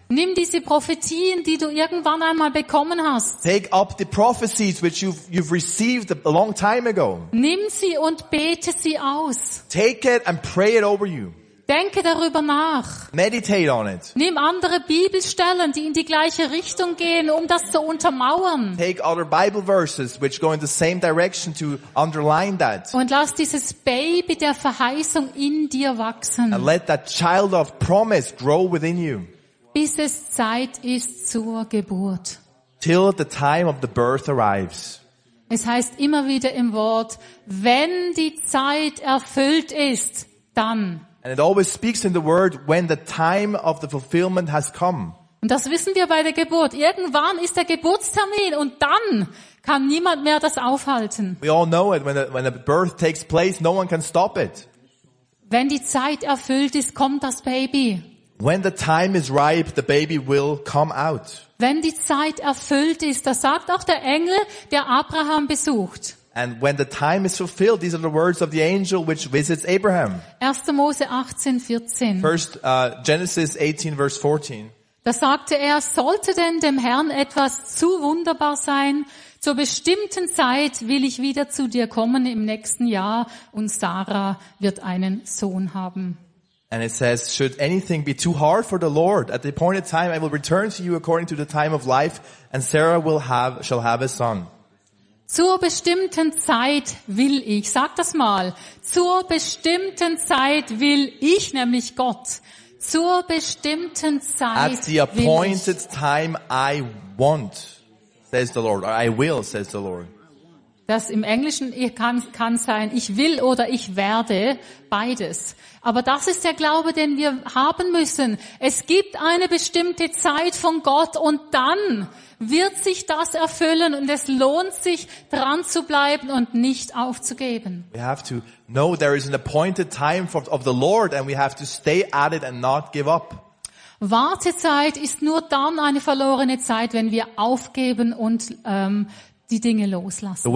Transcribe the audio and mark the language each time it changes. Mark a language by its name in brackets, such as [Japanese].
[German] Nimm diese Prophetien, die du irgendwann einmal bekommen hast. [English] Take up the prophecies which you've received a long time ago. [German] Nimm sie und bete sie aus. [English] Take it and pray it over you. [German] Denke darüber nach. [English] Meditate on it. [German] Nimm andere Bibelstellen, die in die gleiche Richtung gehen, um das zu untermauern. [English] Take other Bible verses which go in the same direction to underline that. [German] Und lass dieses Baby der Verheißung in dir wachsen. [English] And let that child of promise grow within you. [German] Bis es Zeit ist zur Geburt. [English] Till the time of the birth arrives. [German] Es heißt immer wieder im Wort, wenn die Zeit erfüllt ist, dann. [English] And it always speaks in the word, when the time of the fulfillment has come. [German] Und das wissen wir bei der Geburt. Irgendwann ist der Geburtstermin und dann kann niemand mehr das aufhalten. [English] We all know it. When a birth takes place, no one can stop it. [German] Wenn die Zeit erfüllt ist, kommt das Baby. [English] When the time is ripe, the baby will come out. [German] Wenn die Zeit erfüllt ist, das sagt auch der Engel, der Abraham besucht. [English] And when the time is fulfilled, these are the words of the angel which visits Abraham. [German] 1. Mose 18, 14. [English] Genesis 18, verse 14. [German] Da sagte er, sollte denn dem Herrn etwas zu wunderbar sein, zur bestimmten Zeit will ich wieder zu dir kommen im nächsten Jahr und Sarah wird einen Sohn haben. [English] And it says, should anything be too hard for the Lord? At the appointed time, I will return to you according to the time of life, and Sarah shall have a son. [German] Zur bestimmten Zeit will ich, sag das mal, zur bestimmten Zeit will ich, nämlich Gott, Zur bestimmten Zeit [English] At the appointed [German] will ich. [English] Time I want, says the Lord, or I will, says the Lord. [German] Das im Englischen kann sein, ich will oder ich werde, beides. Aber das ist der Glaube, den wir haben müssen. Es gibt eine bestimmte Zeit von Gott und dann wird sich das erfüllen und es lohnt sich, dran zu bleiben und nicht aufzugeben. [English] We have to know there is an appointed time of the Lord and we have to stay at it and not give up. [German] Wartezeit ist nur dann eine verlorene Zeit, wenn wir aufgeben und die Dinge loslassen.